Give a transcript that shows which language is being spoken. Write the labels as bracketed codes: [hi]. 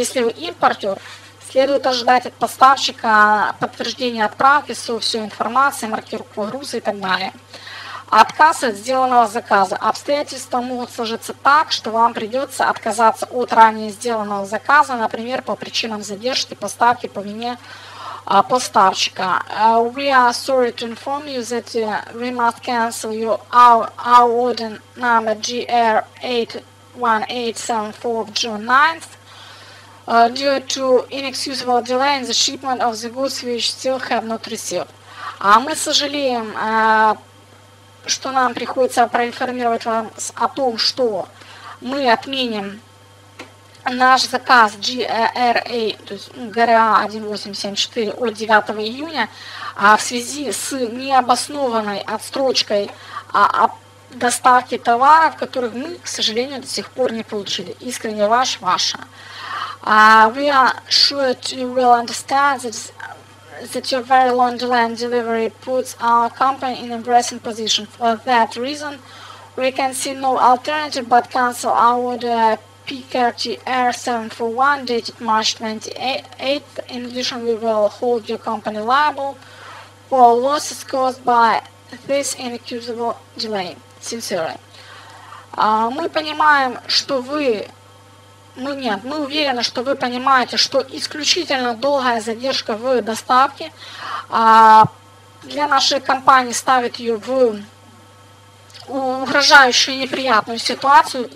[ru] Если вы импортер, следует ожидать от поставщика подтверждения отправки со всей информацией, маркировку груза и так далее. Отказ от сделанного заказа. Обстоятельства могут сложиться так, что вам придется отказаться от ранее сделанного заказа, например, по причинам задержки поставки по вине поставщика. [en] We are sorry to inform you that we must cancel our order number GR81874 of June 9th. Due to inexcusable delay in the shipment of the goods which still have not received. [ru] Мы сожалеем, что нам приходится проинформировать вас о том, что мы отменим наш заказ GRA, то есть GRA 1874, от 9 июня в связи с необоснованной отстрочкой доставки товаров, которых мы, к сожалению, до сих пор не получили. Искренне ваш, ваша. [en] We are sure you will understand that that your very long delay in delivery puts our company in an embarrassing position. For that reason, we can see no alternative but cancel our order PKTR 741 dated March 28th. In addition, we will hold your company liable for losses caused by this inexcusable delay. Sincerely. [ru] Мы понимаем, что вы... Ну нет, мы уверены, что вы понимаете, что исключительно долгая задержка в доставке для нашей компании ставит ее в угрожающую неприятную ситуацию.